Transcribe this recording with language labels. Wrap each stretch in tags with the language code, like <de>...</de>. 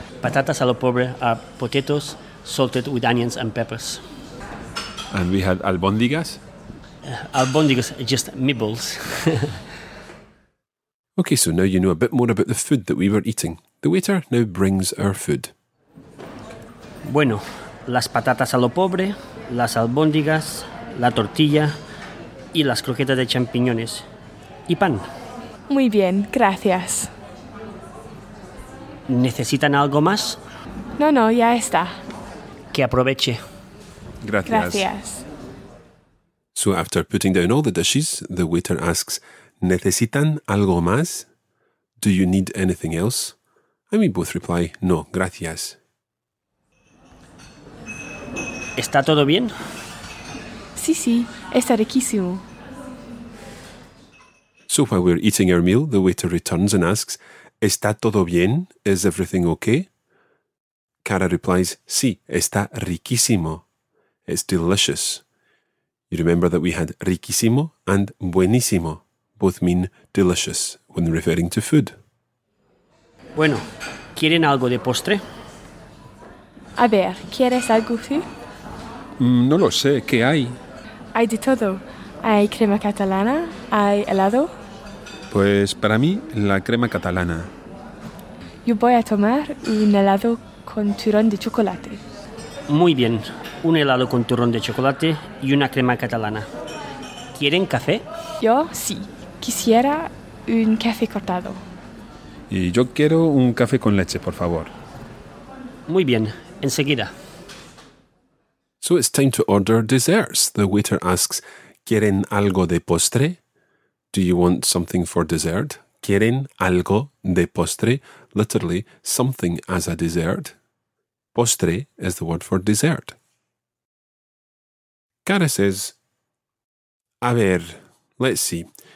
<en>Patatas a lo pobre are potatoes salted with onions and peppers. And we had albóndigas. Albóndigas are just meatballs. Okay, so now you know a bit more about the food that we were eating. The waiter now brings our food.</en> <es>Bueno. Las patatas a lo pobre, las albóndigas, la tortilla y las croquetas de champiñones y pan. Muy bien, gracias. ¿Necesitan algo más? No, no, ya está. Que aproveche. Gracias. Gracias.</es> <en>So after putting down all the dishes, the waiter asks,</en> <es>¿Necesitan algo más?</es> <en>Do you need anything else? And we both reply,</en> <es>no, gracias. ¿Está todo bien? Sí, sí, está riquísimo.</es> <en>So while we're eating our meal, the waiter returns and asks,</en> <es>¿Está todo bien?</es> <en>Is everything okay? Cara replies,</en> <es>sí, está riquísimo.</es> <en>It's delicious. You remember that we had riquísimo and buenísimo. Both mean delicious when referring to food.</en> <es>Bueno, ¿quieren algo de postre? A ver, ¿quieres algo, sí? No lo sé, ¿qué hay? Hay de todo. Hay crema catalana, hay helado. Pues para mí, la crema catalana. Yo voy a tomar un helado con turrón de chocolate. Muy bien, un helado con turrón de chocolate y una crema catalana. ¿Quieren café? Yo, sí. Quisiera un café cortado. Y yo quiero un café con leche, por favor. Muy bien, enseguida.</es> <en>So it's time to order desserts. The waiter asks,</en> <es>¿Quieren algo de postre?</es> <en>Do you want something for dessert?</en> <es>¿Quieren algo de postre?</es> <en>Literally, something as a dessert. Postre is the word for dessert. Cara says,</en> <es>A ver,</es> <en>let's see.</en>